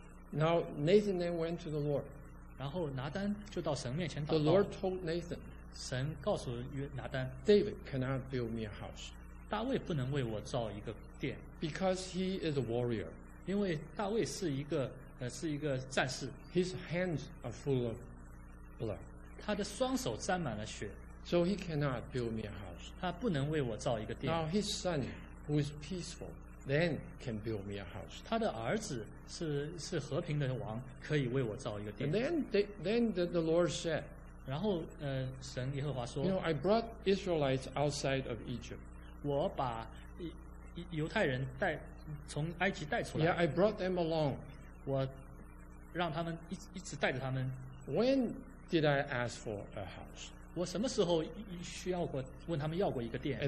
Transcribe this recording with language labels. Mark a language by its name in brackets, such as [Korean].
[English] Now Nathan then went to the Lord. [Chinese] 然后拿单就到神面前祷告。 [English] The Lord told Nathan. [Chinese] 神告诉拿单。 [English] David cannot build me a house. [Chinese] 大卫不能为我造一个殿 [English] ，because he is a warrior. [Chinese] 因为大卫是一个是一个战士。 [English] His hands are full of blood. [Chinese] 他的双手沾满了血。 [English] So he cannot build me a house. [Chinese] 他不能为我造一个殿。 [English] Now his son, who is peaceful, then can build me a house. [Chinese] 他的儿子是和平的王，可以为我造一个殿。 [English] And then the Lord said, [Chinese] 然后神耶和华说 [English] ，You know, I brought Israelites outside of Egypt. [Chinese] 我把犹太人带从埃及带出来。 [English] Yeah, I brought them along. [Chinese] 我让他们一直带着他们。 [English] When did I ask for a house? [Chinese] 我什么时候需要过问他们要过一个殿